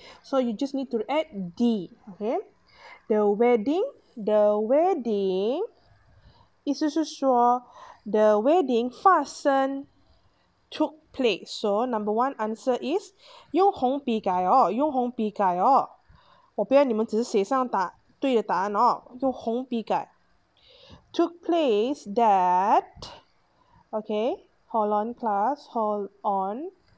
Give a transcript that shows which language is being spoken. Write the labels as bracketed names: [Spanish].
[English] So you just need to add D, okay? The wedding, [Chinese] 意思是说, [English] the wedding [Chinese] 发生 [English] took place. So number one answer is [Chinese] 用红笔改哦，用红笔改哦。我不要你们只是写上答对的答案哦，用红笔改。 [English] Took place that, okay, hold on class, hold on.